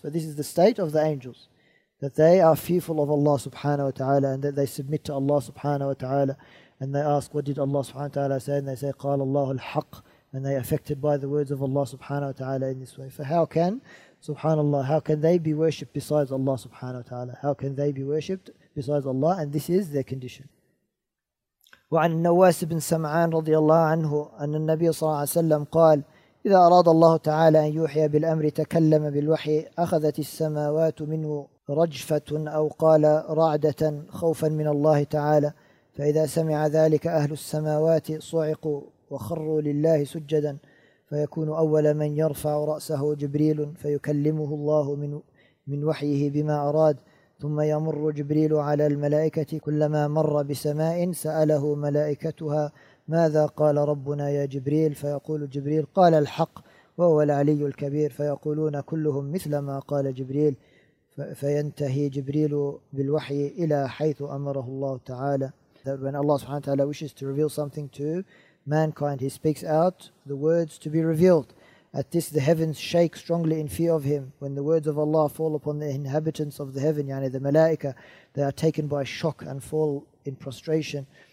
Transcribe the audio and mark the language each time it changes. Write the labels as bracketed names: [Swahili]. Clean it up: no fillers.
[English] For this is the state of the angels, that they are fearful of Allah subhanahu wa ta'ala and that they submit to Allah subhanahu wa ta'ala. And they ask, what did Allah subhanahu wa ta'ala say? And they say, [Arabic] قَالَ اللَّهُ الْحَقِّ. [English] And they are affected by the words of Allah subhanahu wa ta'ala in this way. For how can, subhanAllah, how can they be worshipped besides Allah subhanahu wa ta'ala? How can they be worshipped besides Allah? And this is their condition. [Arabic] وَعَنَ النَّوَاسِ بِنْ سَمْعَانَ رَضِيَ اللَّهُ عَنْهُ أَنَّ النَّبِيَ صَلَى اللَّهُ عَلَيْهِ وَسَلَّمْ قَالَ إِذَا أَرَادَ اللَّهُ تَعَالَى أَنْ يُوحِيَ بِالْأَمْرِ تَكَلَّمَ بِالْوَحِي أَخَذَتِ السَّمَاوَاتُ مِنْهُ رَجْفَةٌ أَوْ قَالَ رَعْدَةً خَوْفًا مِنَ اللَّهِ تَعَالَى فإذا سمع ذلك أهل السماوات صعقوا وخروا لله سجدا فيكون أول من يرفع رأسه جبريل فيكلمه الله من وحيه بما أراد ثم يمر جبريل على الملائكة كلما مر بسماء سأله ملائكتها ماذا قال ربنا يا جبريل فيقول جبريل قال الحق وهو العلي الكبير فيقولون كلهم مثل ما قال جبريل فينتهي جبريل بالوحي إلى حيث أمره الله تعالى. [English] that when Allah subhanahu wa ta'ala wishes to reveal something to mankind, He speaks out the words to be revealed. At this, the heavens shake strongly in fear of Him. When the words of Allah fall upon the inhabitants of the heaven, yani the malaika, they are taken by shock and fall in prostration.